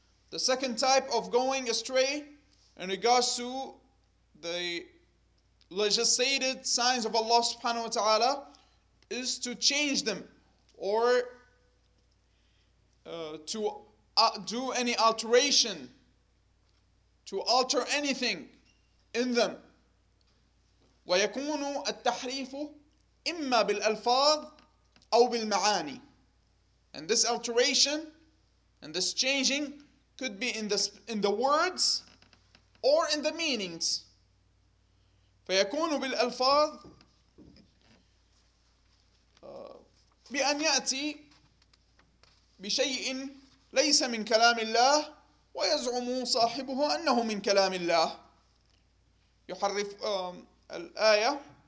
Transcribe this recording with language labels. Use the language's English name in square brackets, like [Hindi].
[English] The second type of going astray in regards to the legislated signs of Allah subhanahu wa ta'ala is to change them or to do any alteration, to alter anything in them. [Arabic] ويكون التحريف إما بالألفاظ أو بالمعاني. [English] And this alteration and this changing could be in the words or in the meanings. [Arabic] فيكون بالألفاظ بأن يأتي بشيء ليس من كلام الله ويزعم صاحبه أنه من كلام الله. يحرف الآية.